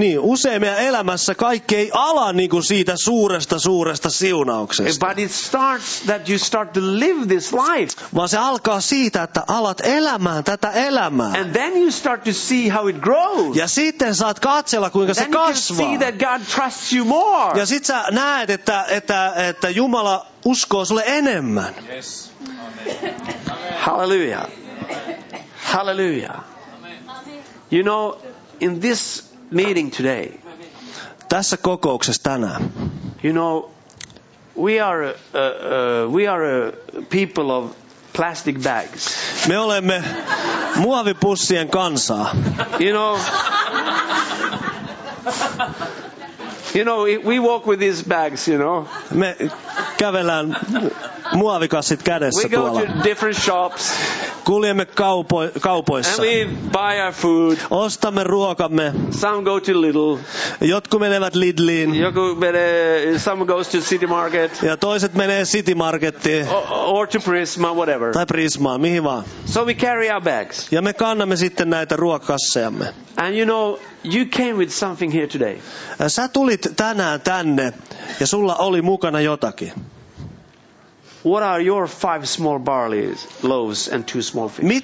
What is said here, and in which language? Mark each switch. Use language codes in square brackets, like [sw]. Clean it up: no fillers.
[fi] Niin, usein meidän elämässä kaikki ei ala niin kuin siitä suuresta siunauksesta. [en] But it starts that you start to live this life. [fi] Vaan se alkaa siitä, että alat elämään tätä elämää. [en] And then you start to see how it grows. [fi] Ja sitten saat katsella, kuinka [en] then [fi] se kasvaa. [en] You can see that God trusts you more. [fi] Ja sitten sä näet, että Jumala uskoo sulle enemmän. [en] Yes. Hallelujah. Hallelujah. You know, in this meeting today, [fi] tässä kokouksessa tänään, [en] you know, we are a people of plastic bags. [fi] Me olemme muovipussien kansaa. [en] You know, we walk with these bags, you know. [fi] Me kävelään muovikassit kädessä tuolla. [en] We go to different shops. [fi] Kuljemme kaupoissa. [en] And we buy our food. [fi] Ostamme ruokamme. [en] Some go to Lidl. [fi] Jotkut menevät Lidliin. [en] Some go to City Market. [fi] Ja toiset menee City Markettiin. [en] Or to Prisma, whatever. [fi] Tai Prismaa, mihin vaan. [en] So we carry our bags. [fi] Ja me kannamme sitten näitä ruokakassejamme. [en] And you know, you came with something here today. [fi] Sä tulit tänään tänne ja sulla oli mukana jotakin. [en] What are your 5 small barley loaves and 2 small fish?